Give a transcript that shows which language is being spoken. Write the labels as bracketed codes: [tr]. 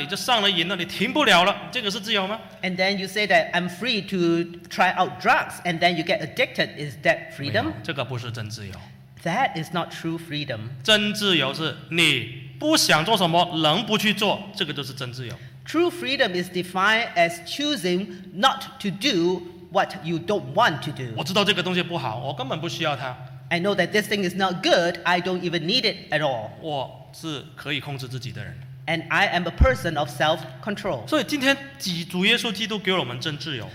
[zh] 那个毒品，后来你就上了瘾了，你停不了了，这个是自由吗？ [en] And then you say that I'm free to try out drugs, and then you get addicted. Is that freedom? [zh] 没有，这个不是真自由。 [en] That is not true freedom. [zh] 真自由是你不想做什么，能不去做，这个就是真自由。 [en] True freedom is defined as choosing not to do what you don't want to do. [zh] 我知道这个东西不好，我根本不需要它。 [en] I know that this thing is not good. I don't even need it at all. [zh] 我是可以控制自己的人。 [en] And I am a person of self-control. [zh] 所以今天主耶稣基督给我们真自由。